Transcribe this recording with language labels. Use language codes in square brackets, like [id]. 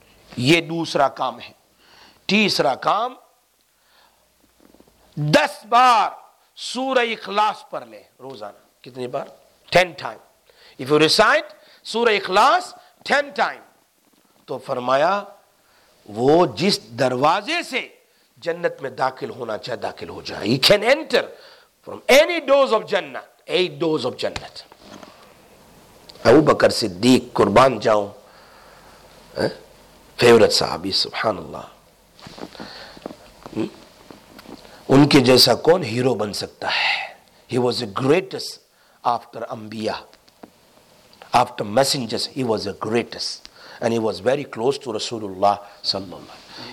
[ur] یہ دوسرا کام ہے. تیسرا کام, [en] 10 times [ur] سورہ اخلاص پڑھ لے روزانہ. کتنی بار؟ [en] 10 times. If you recite [ur] سورہ اخلاص 10 times, تو فرمایا وہ جس دروازے سے جنت میں داخل ہونا چاہے داخل ہو جائے. [en] You can enter from any doors of جنت, 8 doors of جنت. [ur] ابو بکر صدیق قربان جاؤں, فیورٹ صحابی, سبحان اللہ, ان کے جیسا کون ہیرو بن سکتا ہے؟ [en] He was a greatest after انبیاء, after messengers, he was a greatest, and he was very close to رسول اللہ صلی اللہ علیہ وسلم.